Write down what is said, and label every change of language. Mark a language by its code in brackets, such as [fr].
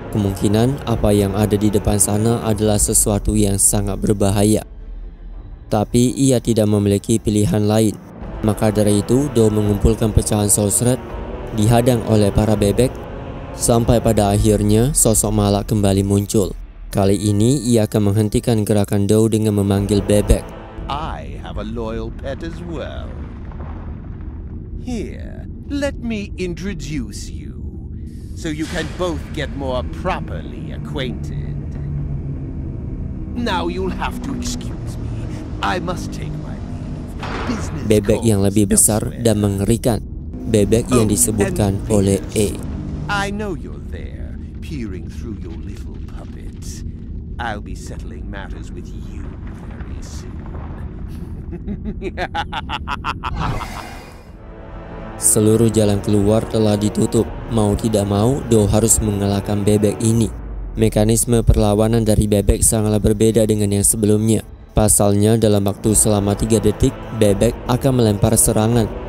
[id] Kemungkinan apa yang ada di depan sana adalah sesuatu yang sangat berbahaya. Tapi ia tidak memiliki pilihan lain. Maka dari itu, Dow mengumpulkan pecahan Soul Thread, dihadang oleh para bebek, sampai pada akhirnya sosok Malak kembali muncul. Kali ini ia akan menghentikan gerakan Dow dengan memanggil bebek. [en] I have a loyal pet as well. Here, let me introduce you, so you can both get more properly acquainted. Now you'll have to excuse me. I must take my leave. Business. [id] Bebek yang lebih besar dan mengerikan. Bebek yang disebutkan oleh E. [en] I know you're there, peering through your little. I'll be settling matters with you very soon. [id] Seluruh jalan keluar telah ditutup. Mau tidak mau, Dow harus mengalahkan bebek ini. Mekanisme perlawanan dari bebek sangatlah berbeda dengan yang sebelumnya. Pasalnya, dalam waktu selama 3 detik, bebek akan melempar serangan.